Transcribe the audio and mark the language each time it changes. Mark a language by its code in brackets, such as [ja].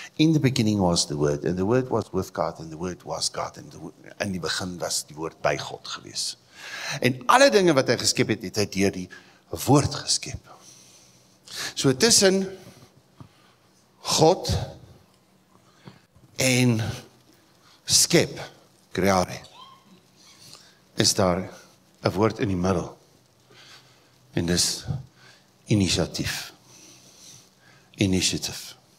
[en] In the beginning was the word, and the word was with God, and the word was God. [af] And in die begin was die woord by God gewees. En alle dinge wat hy geskep het, het hy deur die woord geskep. So tussen God en skep, creare, is daar een woord in die middel. En dis initiatief. Initiatief.